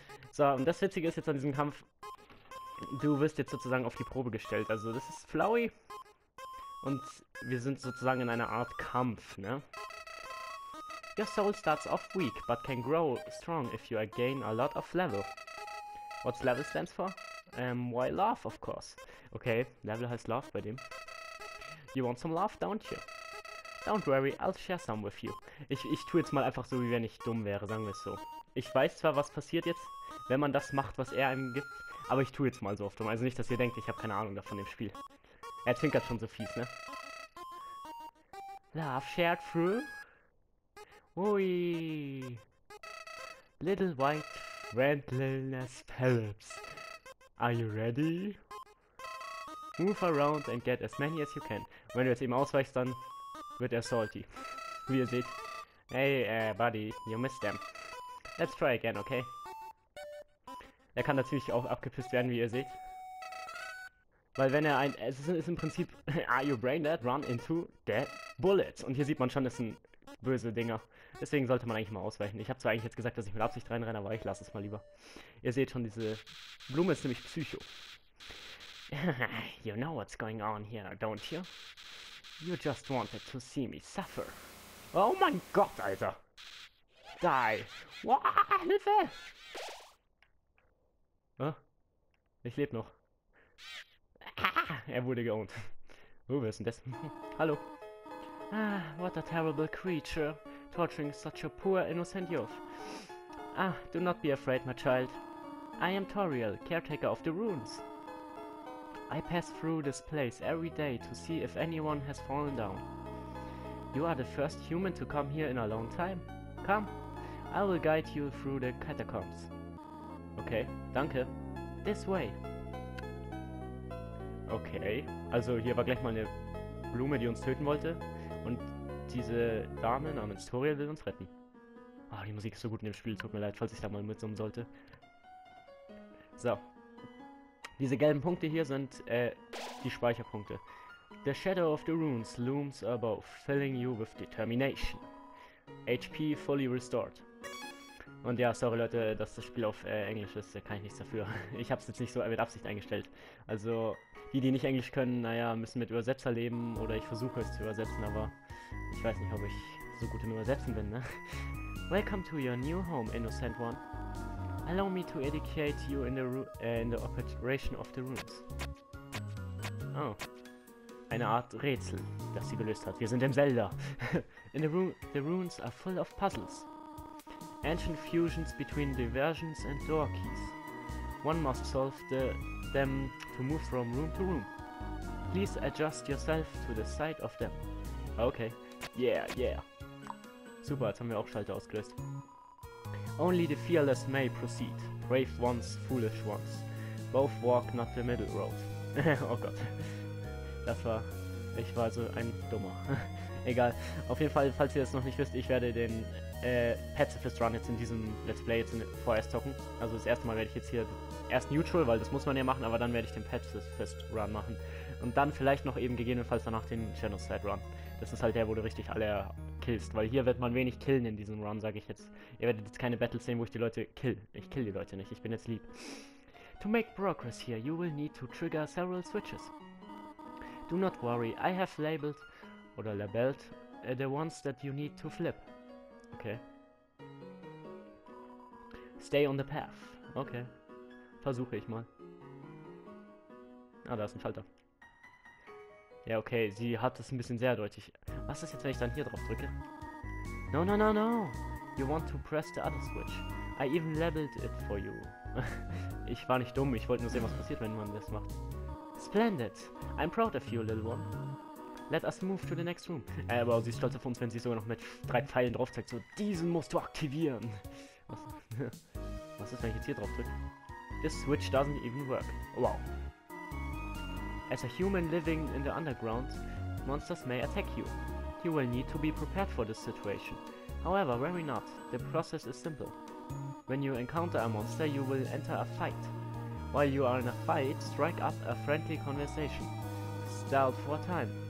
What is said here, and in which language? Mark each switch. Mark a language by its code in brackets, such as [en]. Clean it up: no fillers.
[de] So, und das Witzige ist jetzt an diesem Kampf, du wirst jetzt sozusagen auf die Probe gestellt. Also, das ist Flowey. Und wir sind sozusagen in einer Art Kampf, ne? [en] Your soul starts off weak, but can grow strong if you gain a lot of level. What's level stands for? Why love, of course. [de] Okay, level heißt love bei dem. [en] You want some love, don't you? Don't worry, I'll share some with you. [de] Ich tue jetzt mal einfach so, wie wenn ich dumm wäre, sagen wir es so. Ich weiß zwar, was passiert jetzt, wenn man das macht, was er einem gibt, aber ich tue jetzt mal so oft dumm. Also nicht, dass ihr denkt, ich habe keine Ahnung davon im Spiel. Er zwinkert schon so fies, ne? [en] Love shared through. Ui. Little white friendliness pellets. Are you ready? Move around and get as many as you can. [de] Wenn du jetzt eben ausweichst, dann wird er salty. Wie ihr seht. [en] Hey, buddy, you missed them. Let's try again, okay? [de] Er kann natürlich auch abgepisst werden, wie ihr seht. Weil wenn er ein... Es ist im Prinzip... [en] Are you brain dead? Run into dead bullets. [de] Und hier sieht man schon, es sind böse Dinger. Deswegen sollte man eigentlich mal ausweichen. Ich habe zwar eigentlich jetzt gesagt, dass ich mit Absicht reinrenne, aber ich lasse es mal lieber. Ihr seht schon, diese Blume ist nämlich Psycho. [en] You know what's going on here, don't you? You just wanted to see me suffer. [de] Oh mein Gott, Alter! [en] Die! [de] Wow, Hilfe! Oh, ich lebe noch. Er wurde geowned. Oh, wer ist denn das? Hallo. [en] Ah, what a terrible creature. Torturing such a poor innocent youth. Ah, do not be afraid, my child. I am Toriel, caretaker of the runes. I pass through this place every day to see if anyone has fallen down. You are the first human to come here in a long time. Come, I will guide you through the catacombs. Okay, [de] danke. [en] This way. [de] Okay, also hier war gleich mal eine Blume, die uns töten wollte. Und diese Dame namens Toriel will uns retten. Ah, oh, die Musik ist so gut in dem Spiel, tut mir leid, falls ich da mal mitsummen sollte. So. Diese gelben Punkte hier sind die Speicherpunkte. [en] The Shadow of the Runes looms above, filling you with determination. HP fully restored. [de] Und ja, sorry Leute, dass das Spiel auf Englisch ist, da kann ich nichts dafür. Ich habe es jetzt nicht so mit Absicht eingestellt. Also, die nicht Englisch können, naja, müssen mit Übersetzer leben oder ich versuche es zu übersetzen, aber ich weiß nicht, ob ich so gut im Übersetzen bin, ne? [en] Welcome to your new home, innocent one. Allow me to educate you in the operation of the runes. Oh. [de] Eine Art Rätsel, das sie gelöst hat. Wir sind im Zelda. [en] the runes are full of puzzles. Ancient fusions between diversions and door keys. One must solve them to move from room to room. Please adjust yourself to the sight of them. [de] Okay. [en] Yeah, yeah. [de] Super, jetzt haben wir auch Schalter ausgelöst. [en] Only the fearless may proceed. Brave ones, foolish ones. Both walk not the middle road. [de] Oh Gott. Das war... Ich war also ein Dummer. Egal. Auf jeden Fall, falls ihr das noch nicht wisst, ich werde den Pacifist Run jetzt in diesem Let's Play jetzt vorerst zocken. Also das erste Mal werde ich jetzt hier erst Neutral, weil das muss man ja machen, aber dann werde ich den Pacifist Run machen. Und dann vielleicht noch eben gegebenenfalls danach den Genocide Run. Das ist halt der, wo du richtig alle killst, weil hier wird man wenig killen in diesem Run, sage ich jetzt. Ihr werdet jetzt keine Battles sehen, wo ich die Leute kill. Ich kill die Leute nicht, ich bin jetzt lieb. [en] To make progress here, you will need to trigger several switches. Do not worry, I have labeled, [de] oder [en] labeled, the ones that you need to flip. Okay. Stay on the path. Okay. [de] Versuche ich mal. Ah, da ist ein Schalter. Ja, okay, sie hat es ein bisschen sehr deutlich. Was ist jetzt, wenn ich dann hier drauf drücke? [en] No, no, no, no! You want to press the other switch. I even leveled it for you. [de] Ich war nicht dumm, ich wollte nur sehen, was passiert, wenn man das macht. [en] Splendid! I'm proud of you, little one. Let us move to the next room. [de] Aber sie ist stolz auf uns, wenn sie sogar noch mit drei Pfeilen drauf zeigt. So, diesen musst du aktivieren! Was ist, wenn ich jetzt hier drauf drücke? [en] This switch doesn't even work. Wow. As a human living in the underground, monsters may attack you. You will need to be prepared for this situation. However, worry not. The process is simple. When you encounter a monster, you will enter a fight. While you are in a fight, strike up a friendly conversation. Stealth for a time.